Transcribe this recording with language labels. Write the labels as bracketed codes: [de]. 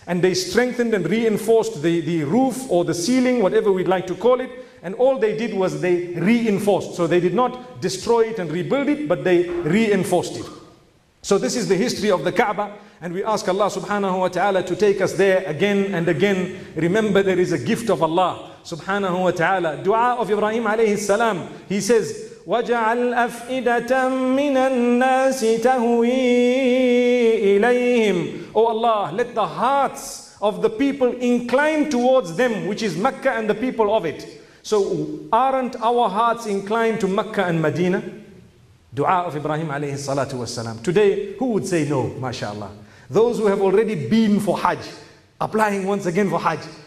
[en] And they strengthened and reinforced the roof or the ceiling, whatever we'd like to call it. And all they did was they reinforced. So they did not destroy it and rebuild it, but they reinforced it. So this is the history of the Kaaba. And we ask Allah subhanahu wa ta'ala to take us there again and again. Remember, there is a gift of Allah subhanahu wa ta'ala. Dua of Ibrahim alayhi salam. He says, [ar] وَجَعَلْ أَفْئِدَةً مِّنَ النَّاسِ تَهُوِي إِلَيْهِمْ. [en] O Allah, let the hearts of the people incline towards them, which is Mecca and the people of it. So aren't our hearts inclined to Mecca and Medina? Dua of Ibrahim alayhi salatu wasalam. Today, who would say no, mashallah? Those who have already been for Hajj, applying once again for Hajj.